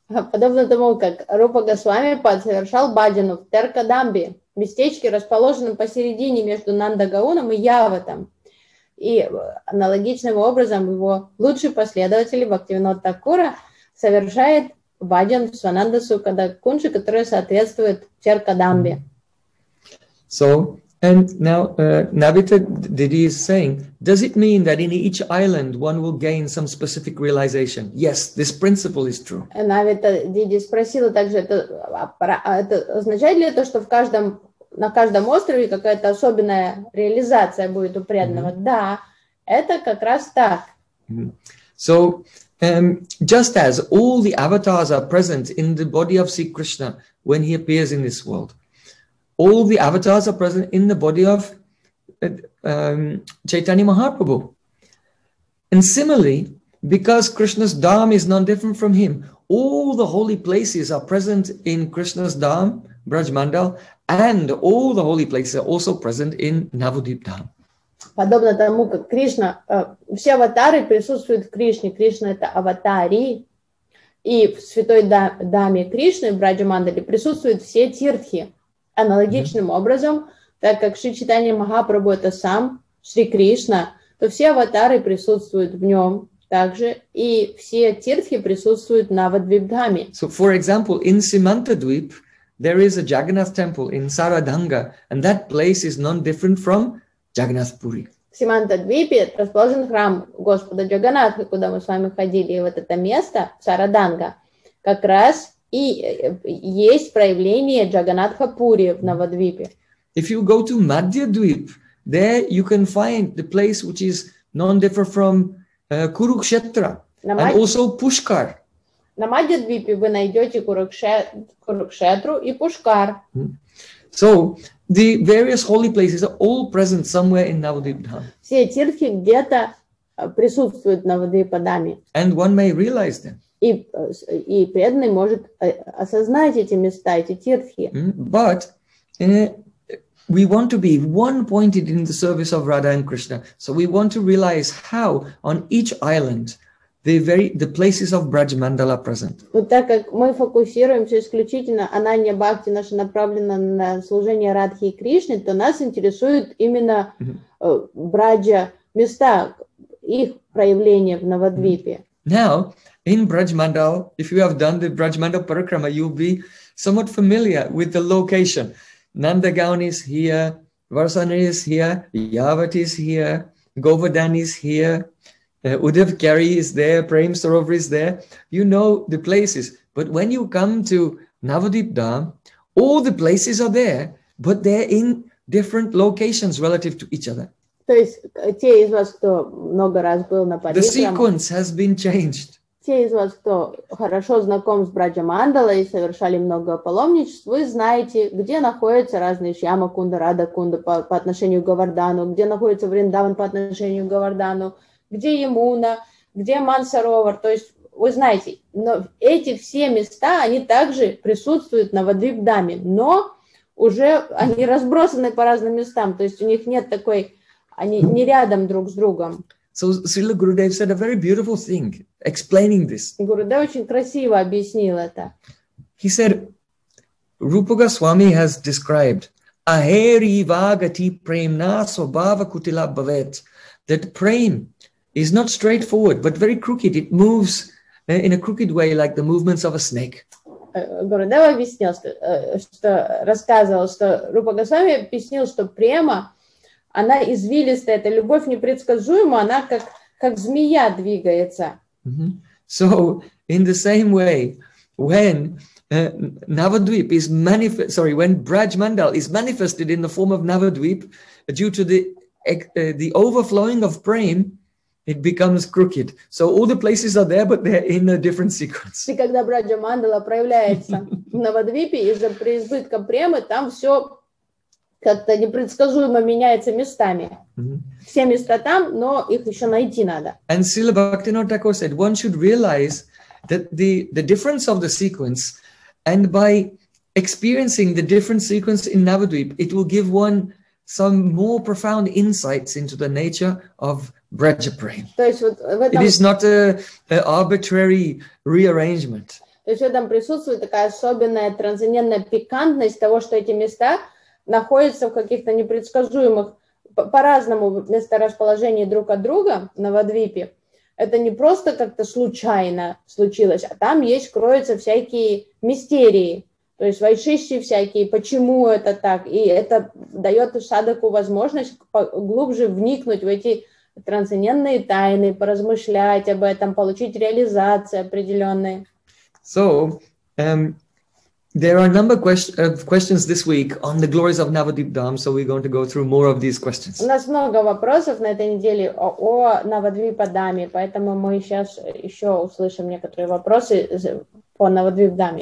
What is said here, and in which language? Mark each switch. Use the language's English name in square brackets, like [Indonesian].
[Russian] Подобно тому, как Рупа Госвами совершал бхаджан в Терракадамбе, местечке, расположенном посередине между Нандагауном и Яватом. И аналогичным образом его лучший последователь Бхактивинода Такура совершает Баджан Сванандасу Кадакунджи, который соответствует Теркадамбе. [English] So, and now Navita Didi is saying, does it mean that in each island one will gain some specific realization? Yes, this principle is true. [Russian] Navita Didi спросила также, это означает ли это, что на каждом острове какая-то особенная реализация будет у преданного? Mm-hmm. Да, это как раз так. Mm-hmm. [English] So, just as all the avatars are present in the body of Sri Krishna when he appears in this world, all the avatars are present in the body of Chaitanya Mahaprabhu. And similarly, because Krishna's Dham is not different from him, all the holy places are present in Krishna's Dham, Braj Mandal, and all the holy places are also present in Navadvip Dham. [Russian] подобно тому, как Кришна, все аватары присутствуют в Кришне. Кришна – это аватари. И в святой даме Кришны, в Брадже Мандале, присутствуют все тиртхи. Аналогичным mm-hmm. образом, так как Шри Чайтанья Махапрабху – это сам Шри Кришна, то все аватары присутствуют в нем также, и все тиртхи присутствуют на Навадвипдхаме. [English] So, for example, in Simantadvip, there is a Jagannath temple in Saradhanga, and that place is none different from Jagannathpuri. [Russian] В Симантадвипе расположен храм Господа Джаганатха, куда мы с вами ходили, и вот это место, Сараданга, как раз и есть проявление Джаганатха-пури в Навадвипе. [English] If you go to Madhyadvip, there you can find the place which is none different from Курукшетра, and also Пушкар. [Russian] На Мадхьядвипе вы найдете Курукшетру и Пушкар. [English] So, the various holy places are all present somewhere in Навадвипа. [Russian] Все тирхи где-то присутствуют в Навадвипадаме. [English] And one may realize them. [Russian] И преданный может осознать эти места, эти тирхи. [English] But we want to be one-pointed in the service of Radha and Krishna. So we want to realize how on each island the places of Brajmandala present. [Russian] Но так как мы фокусируемся исключительно ананья бхакти наша направлена на служение Радхе и Кришне, то нас интересуют именно Браджа места, их проявления в Навадвипе. [English] Now, in Brajmandala, if you have done the Brajmandala parikrama, you'll be somewhat familiar with the location. Nandagaon is here, Varsana is here, Yavat is here, Govardhan is here, Udhav Kari is there, Prem Sarovar is there. You know the places. But when you come to Navadip Dham, all the places are there, but they're in different locations relative to each other. [Russian] То есть те из вас, кто много раз был на парикрама, [English] the sequence has been changed. [Russian] Те из вас, кто хорошо знаком с Браджа Мандалой и совершали много паломничеств, вы знаете, где находятся разные Шьяма Кунда, Рада Кунда по отношению к Говардану, где находится Вриндаван по отношению к Говардану, где Ямуна, где Мансаровар. То есть вы знаете, но эти все места, они также присутствуют на Навадвипдхаме, но уже они разбросаны по разным местам, то есть у них нет такой, они не рядом друг с другом. [English] So Srila Gurudev said a very beautiful thing explaining this. [Russian] Гурудев очень красиво объяснил это. [English] He said, Rupa Goswami has described [Sanskrit] Ahari Vagati Premna Sobhava Kutila Bhavet, [English] that Prem is not straightforward, but very crooked. It moves in a crooked way, like the movements of a snake. [Russian] Гурудев объяснил, что рассказывал, что Рупа Госвами объяснил, что према, она извилистая, эта любовь непредсказуема, она как змея двигается. Mm-hmm. [English] So, in the same way, when Navadvip is when Brajmandal is manifested in the form of Navadvip, due to the overflowing of Prem, it becomes crooked. So all the places are there, but they're in a different sequence. [Russian] И когда Брадж-мандала проявляется в Навадвипе из-за преизбытка премы, там все как-то непредсказуемо меняется местами. Mm-hmm. Все места там, но их еще найти надо. [English] And Srila Bhaktivinoda Thakur said, one should realize that the difference of the sequence, and by experiencing the different sequence in Navadvip, it will give one some more profound insights into the nature of Braja Prem. [Russian] То есть вот в этом... [English] It is not an arbitrary rearrangement. [Russian] То есть в этом присутствует такая особенная трансцендентная пикантность того, что эти места находятся в каких-то непредсказуемых, по-разному месторасположении друг от друга на Навадвипе. Это не просто как-то случайно случилось, а там есть, кроются всякие мистерии, то есть вайшишти всякие, почему это так, и это дает садаку возможность глубже вникнуть в эти трансцендентные тайны, поразмышлять об этом, получить реализации определенные. [English] So, there are a number of questions this week on the glories of Navadvip Dham, so we're going to go through more of these questions. [Russian] У нас много вопросов на этой неделе о Навадвипа Даме, поэтому мы сейчас еще услышим некоторые вопросы по Навадвип Даме.